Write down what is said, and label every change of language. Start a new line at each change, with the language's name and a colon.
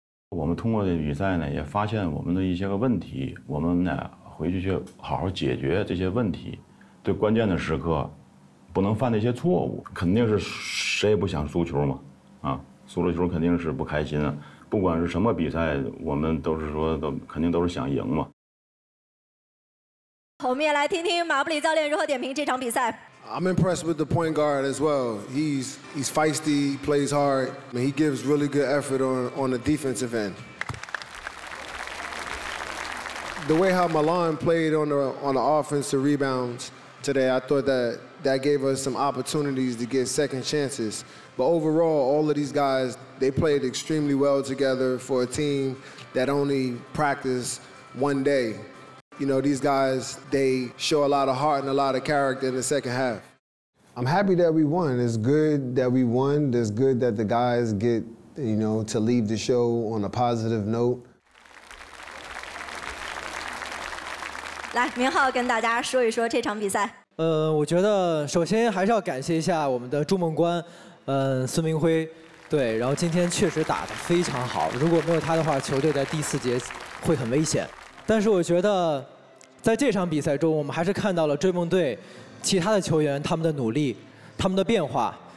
Chinese: 我们通过这比赛呢，也发现我们的一些个问题，我们呢回去去好好解决这些问题，对关键的时刻不能犯那些错误。肯定是谁也不想输球嘛，啊，输了球肯定是不开心啊。不管是什么比赛，我们都是说都肯定都是想赢嘛。我们也来听听马布里教练如何点评这场比赛。
English: I'm impressed with the point guard as well. He's feisty, plays hard, and he gives really good effort on the defensive end. The way how Milan played on the offensive rebounds today, I thought that gave us some opportunities to get second chances. But overall, all of these guys, they played extremely well together for a team that only practiced one day. You know, these guys, they show a lot of heart and a lot of character in the second half. I'm happy that we won. It's good that we won. It's good that the guys get, you know, to leave the show on a positive note.
Chinese: 来，明浩跟大家说一说这场比赛。我觉得首先还是要感谢一下我们的筑梦官，孙明辉，对，然后今天确实打得非常好。如果没有他的话，球队在第四节会很危险。但是我觉得在这场比赛中，我们还是看到了追梦队其他的球员他们的努力，他们的变化。